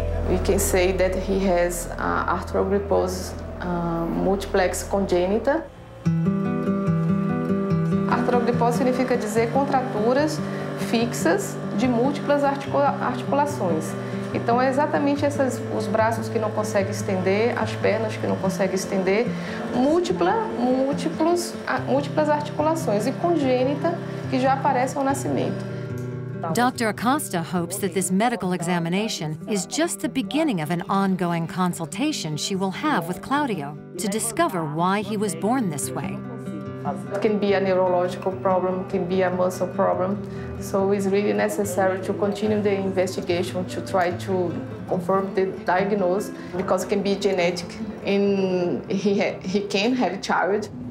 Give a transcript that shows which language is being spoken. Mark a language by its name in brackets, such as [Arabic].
[English] We can say that he has arthrogryposis multiplex congenita. [Portuguese] Arthrogryposis significa dizer contraturas fixas de múltiplas articulações. Então, é exatamente essas, os braços que não conseguem estender, as pernas que não conseguem estender, múltiplas articulações e congênita que já aparecem ao nascimento. [English] Dr. Acosta hopes that this medical examination is just the beginning of an ongoing consultation she will have with Claudio to discover why he was born this way. It can be a neurological problem, can be a muscle problem. So it's really necessary to continue the investigation to try to confirm the diagnosis because it can be genetic and he can have a child.